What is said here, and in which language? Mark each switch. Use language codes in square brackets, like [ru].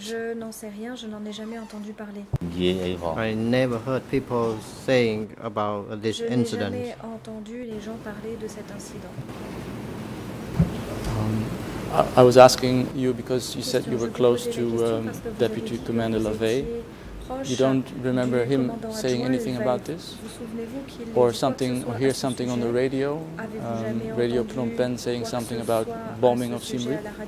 [fr] Je n'en sais rien, je n'en ai jamais entendu parler. [en] I never heard people saying about this incident. [fr] Je n'ai jamais entendu les gens parler de cet incident. [en] I was asking you because you said you were close to Deputy Commander Lavey. You don't remember him saying anything about this? Or something, or hear something on the radio? Radio Phnom Penh saying something about bombing of Siem Reap?